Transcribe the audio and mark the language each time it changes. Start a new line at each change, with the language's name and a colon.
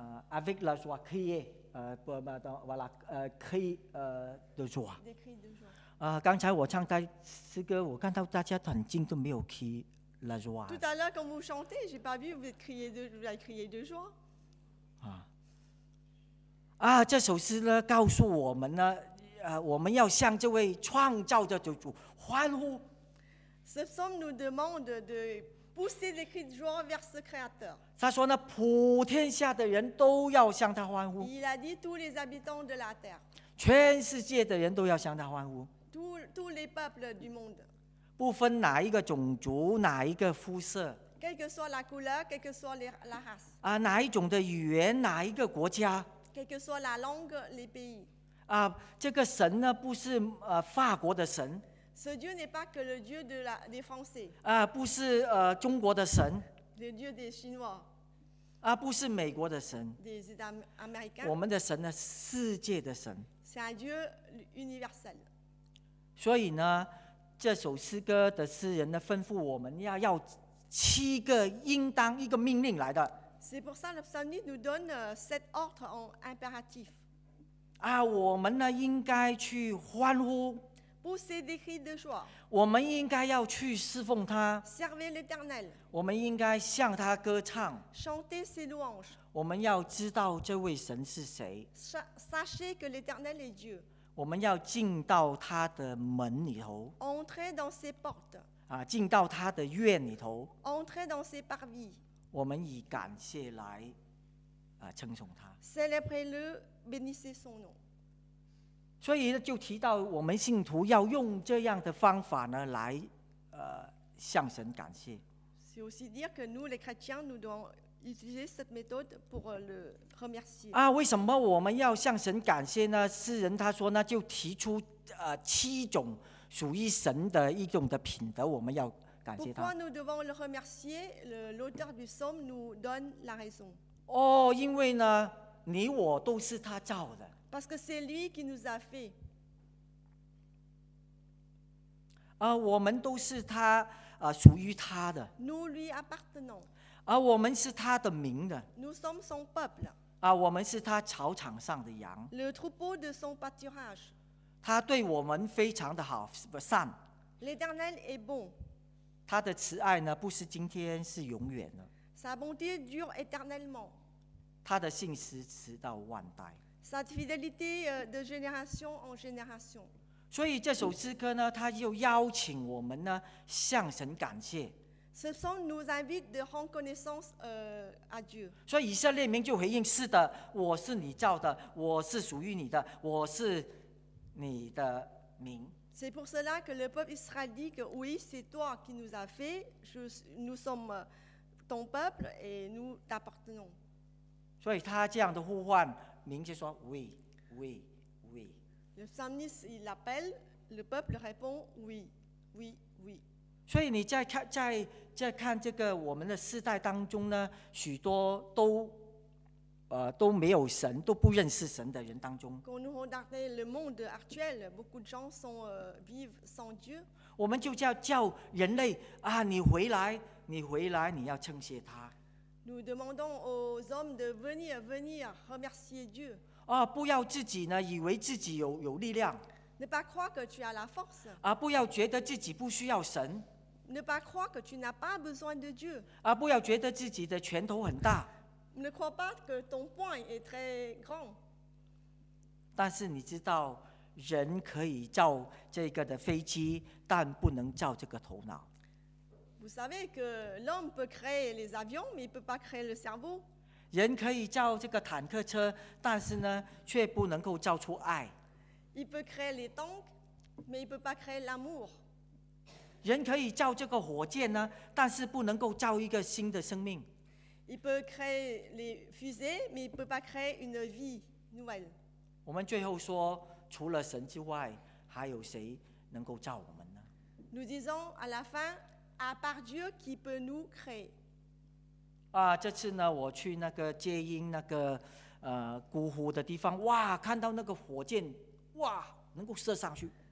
French: Avec la joie, crier, voilà, crier de joie. Des cris de joie. Quand je chante ce chant, je vois que tout le monde crie de la joie. Tout à l'heure, quand vous chantez, je n'ai pas vu que vous avez crié de joie.
Chinese: 啊, 这首诗呢, 告诉我们呢, 我们要向这位创造的主欢呼。
French: Ce psaume nous demande de pousser les cris de joie vers ce créateur.
Chinese: 他说呢, 普天下的人都要向他欢呼。
French: Il a dit tous les habitants de la terre.
Chinese: 全世界的人都要向他欢呼。
French: Tous les peuples du monde.
Chinese: 不分哪一个种族, 哪一个肤色。
French: Quelle que soit la couleur, quelle que soit la race.
Chinese: 啊, 哪一种的语言, 哪一个国家。
French: Quelle que soit la langue, les pays.
Chinese: 啊, 这个神呢, 不是, 法国的神。
French: Ce Dieu n'est pas que le Dieu de des Français.
Chinese: 啊, 不是, 中国的神。
French: Le Dieu des Chinois.
Chinese: 啊, 不是美国的神。
French: Des Américains.
Chinese: 我们的神呢, 世界的神。
French: C'est un Dieu universel.
Chinese: 所以呢, 这首诗歌的诗人呢, 吩咐我们, 要, 要7个应当, 一个命令来的。
French: C'est pour ça que le psalmiste nous donne cet ordre en impératif.
Chinese: Ah, 我们呢应该去欢呼,
French: pousser des cris de joie.
Chinese: 我们应该要去侍奉他,
French: servir l'Éternel.
Chinese: 我们应该向他歌唱,
French: chanter ses louanges.
Chinese: 我们要知道这位神是谁,
French: sachez que l'Éternel est Dieu.
Chinese: 我们要进到他的门里头,
French: entrer dans ses portes.
Chinese: 啊, 进到他的院里头,
French: entrer dans ses parvis.
Chinese: 我们以感谢来, 称颂他。
French: Célébrez-le, bénissez son nom.
Chinese: 所以就提到我们信徒要用这样的方法呢, 来, 向神感谢。
French: C'est aussi dire que nous, les chrétiens, nous devons utiliser cette méthode pour le remercier.
Chinese: 啊，为什么我们要向神感谢呢？诗人他说呢，就提出七种属于神的一种的品德，我们要感谢他。
French: Pourquoi nous devons le remercier? L'auteur du psaume nous donne la raison.
Chinese: 哦，因为呢，你我都是他造的。
French: Parce que c'est lui qui nous a fait.
Chinese: 啊，我们都是他属于他的。
French: Nous lui appartenons.
Chinese: 啊，我们是他的民的。
French: Nous sommes son peuple.
Chinese: 啊，我们是他草场上的羊。
French: Le troupeau de son pâturage.
Chinese: 他对我们非常的好，善。
French: L'Éternel est bon.
Chinese: 他的慈爱呢，不是今天，是永远的。
French: Sa bonté dure éternellement.
Chinese: 他的信实直到万代。
French: Sa fidélité de génération en génération.
Chinese: 所以这首诗歌呢，他又邀请我们呢向神感谢。
French: Ce psaume nous invite de rendre connaissance à Dieu.
Chinese: 所以以色列民就回应：是的，我是你造的，我是属于你的，我是你的民。
French: C'est pour cela que le peuple israël dit que oui, c'est toi qui nous a fait. Nous sommes ton peuple et nous t'appartenons.
Chinese: 所以他这样的呼唤，民就说：
French: oui, oui. Le psalmiste il appelle, le peuple répond oui, oui, oui.
Chinese: 所以你在看这个我们的世代当中呢，许多都没有神，都不认识神的人当中。
French: Quand nous regardons le monde actuel, beaucoup de gens sont vivent sans Dieu.
Chinese: 我们就叫人类啊，你回来，你回来，你要称谢他。
French: Nous demandons aux hommes de venir remercier Dieu.
Chinese: 啊，不要自己呢，以为自己有力量。
French: Ne pas croire que tu as la force.
Chinese: 啊，不要觉得自己不需要神。
French: Ne pas croire que tu n'as pas besoin de Dieu.
Chinese: 啊，不要觉得自己的拳头很大。
French: Ne crois pas que ton poing est très grand.
Chinese: 但是你知道，人可以造这个的飞机，但不能造这个头脑。
French: Vous savez que l'homme peut créer les avions, mais il peut pas créer le cerveau.
Chinese: 人可以造这个坦克车，但是呢，却不能够造出爱。
French: Il peut créer les tanks, mais il peut pas créer l'amour.
Chinese: 人可以造这个火箭呢，但是不能够造一个新的生命。
French: Il peut créer les fusées, mais il peut pas créer une vie nouvelle.
Chinese: 我们最后说，除了神之外，还有谁能够造我们呢？
French: Nous disons à la fin, à part Dieu qui peut nous créer.
Chinese: 啊，这次呢，我去那个接应那个姑姑的地方，哇，看到那个火箭，哇，能够射上去。